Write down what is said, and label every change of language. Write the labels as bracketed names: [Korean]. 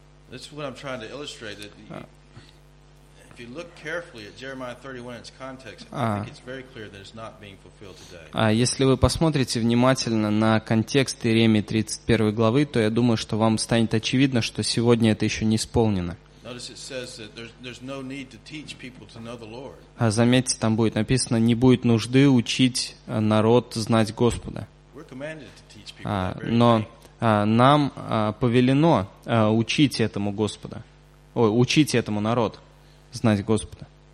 [English] That's what I'm trying to illustrate, that If you look carefully at Jeremiah 31 in its context, I think it's very clear that it's not being fulfilled today. [Russian] А если вы посмотрите внимательно на контекст Иеремии 31 главы, то я думаю, что вам станет очевидно, что сегодня это еще не исполнено. [English] Notice it says that there's no need to teach people to know the Lord. [Russian] А заметьте, там будет написано, не будет нужды учить народ знать Господа. [English] We're commanded to teach people. [Russian] Нам повелено учить этому Господа, учить этому народу знать Господа.